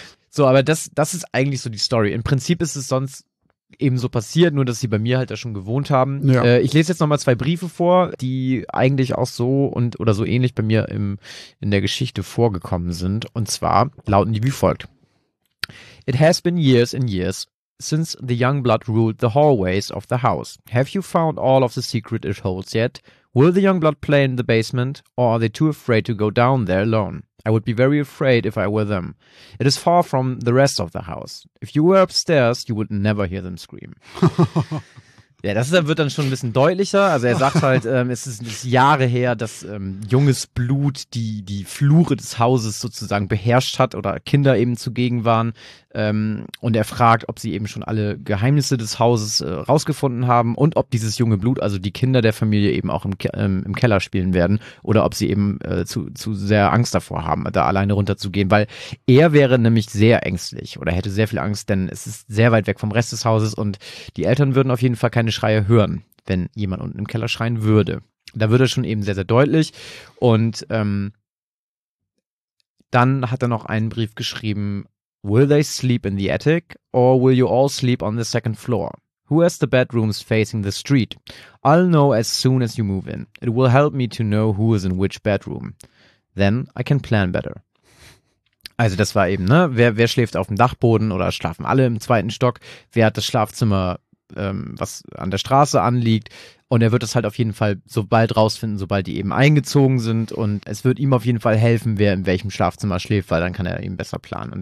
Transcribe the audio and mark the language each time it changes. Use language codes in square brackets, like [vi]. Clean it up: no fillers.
[de] So, aber das ist eigentlich so die Story. Im Prinzip ist es sonst eben so passiert, nur dass sie bei mir halt da schon gewohnt haben. Ja. Ich lese jetzt nochmal zwei Briefe vor, die eigentlich auch so und oder so ähnlich bei mir in der Geschichte vorgekommen sind. Und zwar lauten die wie folgt. [en] It has been years and years since the young blood ruled the hallways of the house. Have you found all of the secret it holds yet? Will the young blood play in the basement, or are they too afraid to go down there alone? I would be very afraid if I were them. It is far from the rest of the house. If you were upstairs, you would never hear them scream. [de] Ja, das wird dann schon ein bisschen deutlicher. Also er sagt halt, es ist Jahre her, dass junges Blut die Flure des Hauses sozusagen beherrscht hat oder Kinder eben zugegen waren. Und er fragt, ob sie eben schon alle Geheimnisse des Hauses rausgefunden haben und ob dieses junge Blut, also die Kinder der Familie, eben auch im Keller spielen werden oder ob sie eben zu sehr Angst davor haben, da alleine runterzugehen, weil er wäre nämlich sehr ängstlich oder hätte sehr viel Angst, denn es ist sehr weit weg vom Rest des Hauses und die Eltern würden auf jeden Fall keine Schreie hören, wenn jemand unten im Keller schreien würde. Da wird es schon eben sehr, sehr deutlich. Und dann hat er noch einen Brief geschrieben. [en] Will they sleep in the attic or will you all sleep on the second floor? Who has the bedrooms facing the street? I'll know as soon as you move in. It will help me to know who is in which bedroom. Then I can plan better. [de] Also das war eben, ne? Wer schläft auf dem Dachboden oder schlafen alle im zweiten Stock? Wer hat das Schlafzimmer, was an der Straße anliegt? Und er wird das halt auf jeden Fall so bald rausfinden, sobald die eben eingezogen sind. Und es wird ihm auf jeden Fall helfen, wer in welchem Schlafzimmer schläft, weil dann kann er eben besser planen.